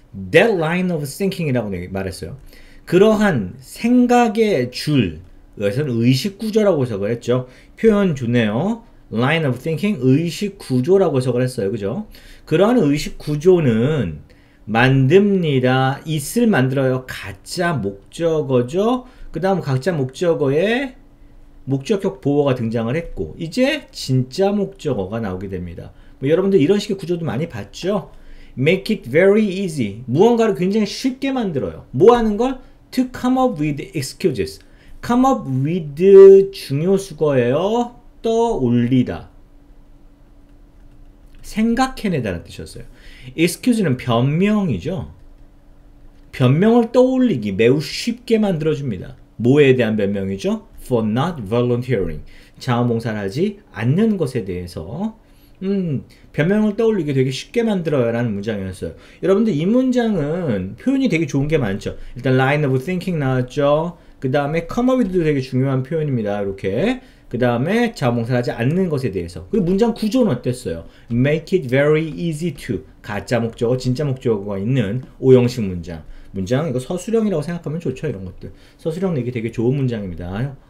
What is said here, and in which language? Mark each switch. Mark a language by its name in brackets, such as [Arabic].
[English] That line of thinking [Korean] 이라고 말했어요. 그러한 생각의 줄, 이것은 의식 구조라고 해석을 했죠. 표현 좋네요. [English] Line of thinking, [Korean] 의식 구조라고 해석을 했어요. 그죠? 그러한 의식 구조는 만듭니다. It을 만들어요. 가짜 목적어죠. 그 다음 가짜 목적어에 목적격 보호가 등장을 했고, 이제 진짜 목적어가 나오게 됩니다. 뭐 여러분들 이런 식의 구조도 많이 봤죠? [English] Make it very easy. [Korean] 무언가를 굉장히 쉽게 만들어요. 뭐 하는 걸? [English] To come up with excuses. [Korean] Come up with 중요수거예요. 떠올리다. 생각해내다는 뜻이었어요. Excuse는 변명이죠. 변명을 떠올리기 매우 쉽게 만들어줍니다. 뭐에 대한 변명이죠? [English] For not volunteering. [Korean] 자원봉사를 하지 않는 것에 대해서. 변명을 떠올리기 되게 쉽게 만들어요라는 문장이었어요. 여러분들 이 문장은 표현이 되게 좋은 게 많죠. 일단 line of thinking 나왔죠. 그 다음에 come up with도 되게 중요한 표현입니다. 이렇게. 그 다음에 자원봉사를 하지 않는 것에 대해서. 그리고 문장 구조는 어땠어요? [English] Make it very easy to. [Korean] 가짜 목적어, 진짜 목적어가 있는 오형식 문장. 문장, 이거 서술형이라고 생각하면 좋죠. 이런 것들. 서술형 내기 되게 좋은 문장입니다.